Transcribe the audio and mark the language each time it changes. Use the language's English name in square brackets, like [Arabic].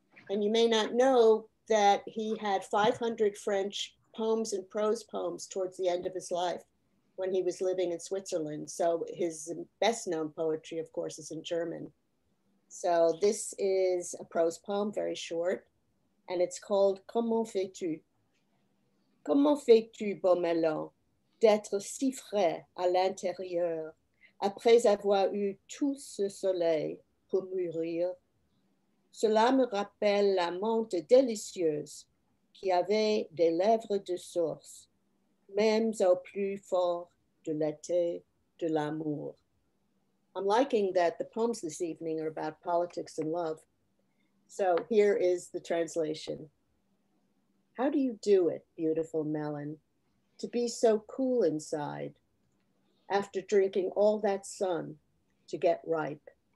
[English] And you may not know that he had 500 French poems and prose poems towards the end of his life when he was living in Switzerland. So his best known poetry, of course, is in German. So this is a prose poem, very short, and it's called [French] Comment fais-tu? Comment fais-tu, beau melon, d'être si frais à l'intérieur, après avoir eu tout ce soleil pour mûrir? Cela me rappelle la menthe délicieuse qui avait des lèvres de source, même au plus fort de l'été de l'amour. [English] I'm liking that the poems this evening are about politics and love. So here is the translation. How do you do it, beautiful melon, to be so cool inside after drinking all that sun to get ripe?